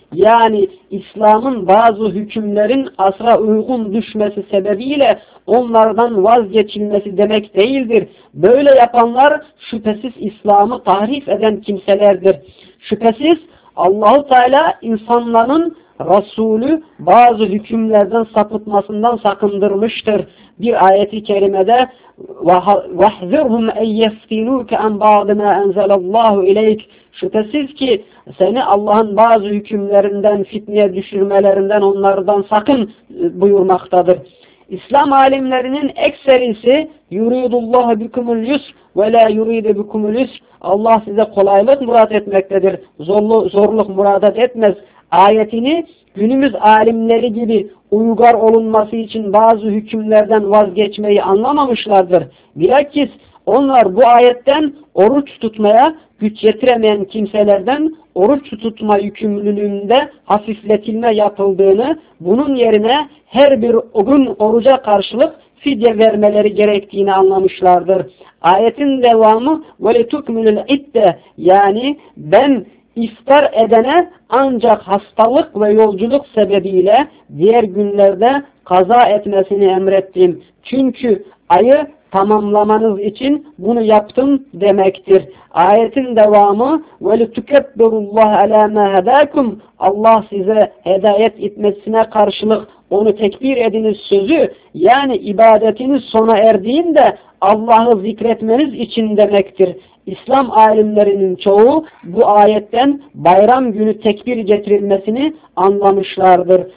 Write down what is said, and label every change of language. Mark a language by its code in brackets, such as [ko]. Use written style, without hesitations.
[tr] Yani İslam'ın bazı hükümlerin asra uygun düşmesi sebebiyle onlardan vazgeçilmesi demek değildir. Böyle yapanlar şüphesiz İslam'ı tahrif eden kimselerdir. Şüphesiz Allah-u Teala insanların Resulü bazı hükümlerden sapıtmasından sakındırmıştır. Bir ayeti kerimede [ar] وَحْذِرْهُمْ اَنْ يَفْتِنُوكَ اَنْ بَعْضِ مَا اَنْزَلَ اللّٰهُ اِلَيْكَ. [tr] Şüphesiz ki seni Allah'ın bazı hükümlerinden, fitneye düşürmelerinden onlardan sakın buyurmaktadır. İslam alimlerinin ekserisi [ar] يُرِيدُ اللّٰهُ بِكُمُ الْيُسْرِ وَلَا يُرِيدُ بِكُمُ الْيُسْرِ. [tr] Allah size kolaylık murat etmektedir. Zorluk murat etmez. Ayetini günümüz alimleri gibi uygar olunması için bazı hükümlerden vazgeçmeyi anlamamışlardır. Bilakis onlar bu ayetten oruç tutmaya güç yetiremeyen kimselerden oruç tutma yükümlülüğünde hafifletilme yapıldığını, bunun yerine her bir gün oruca karşılık fidye vermeleri gerektiğini anlamışlardır. Ayetin devamı [ar] وَلِتُكْمِلُ الْعِدَّ. [tr] Yani ben İftar edene ancak hastalık ve yolculuk sebebiyle diğer günlerde kaza etmesini emrettim. Çünkü ayı tamamlamanız için bunu yaptım demektir. Ayetin devamı [ar] وَلِتُكَبِّرُ اللّٰهَ عَلٰى مَا هَدَاكُمْ. [tr] Allah size hedayet etmesine karşılık onu tekbir ediniz sözü, yani ibadetiniz sona erdiğinde Allah'ı zikretmeniz için demektir. İslam alimlerinin çoğu bu ayetten bayram günü tekbir getirilmesini anlamışlardır.